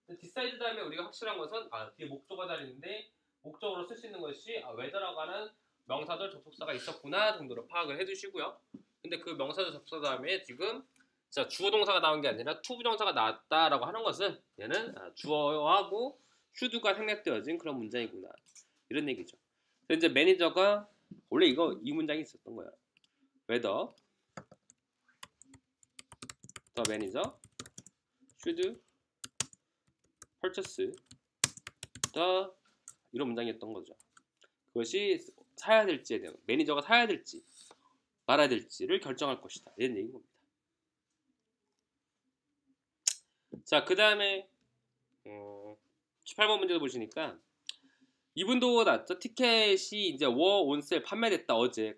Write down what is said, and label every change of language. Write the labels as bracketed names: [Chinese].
[Korean] decide 다음에 우리가 확실한 것은 아, 뒤에 목적어가 달리는데 목적으로 쓸 수 있는 것이 아, whether라고 하는 명사절 접속사가 있었구나 정도로 파악을 해두시고요. 근데 그 명사절 접속사 다음에 지금 자, 주어 동사가 나온 게 아니라 to 부정사가 나왔다라고 하는 것은 얘는 아, 주어하고 슈드가 생략되어진 그런 문장이구나 이런 얘기죠. 그래서 이제 매니저가 원래 이거 이 문장이 있었던 거야. [English] Whether the manager should purchase the [Korean] 이런 문장이었던 거죠. 그것이 사야 될지에 대한 매니저가 사야 될지 말아야 될지를 결정할 것이다 이런 얘기인 겁니다. 자 그 다음에 18번 문제도 보시니까 이분도 나왔죠. 티켓이 이제 워 온셀 판매됐다 어제.